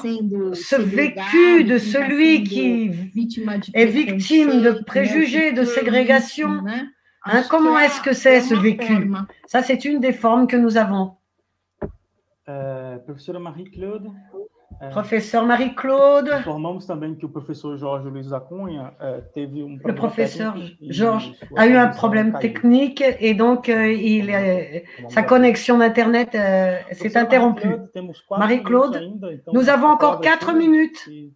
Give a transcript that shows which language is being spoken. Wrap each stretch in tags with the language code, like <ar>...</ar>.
<fr>ce vécu de celui qui est victime de préjugés, de ségrégation. Hein, comment est-ce que c'est ce vécu? Ça, c'est une des formes que nous avons. Professeur Marie-Claude. Professeur Marie-Claude.</fr> <pt>Informamos também que o professor Jorge Luiz da Cunha teve um</pt> <fr>problema. Le professeur Jorge a eu un problème technique et donc il a, sa connexion d'internet s'est interrompue. Marie-Claude, nous avons encore 4 minutes.</fr>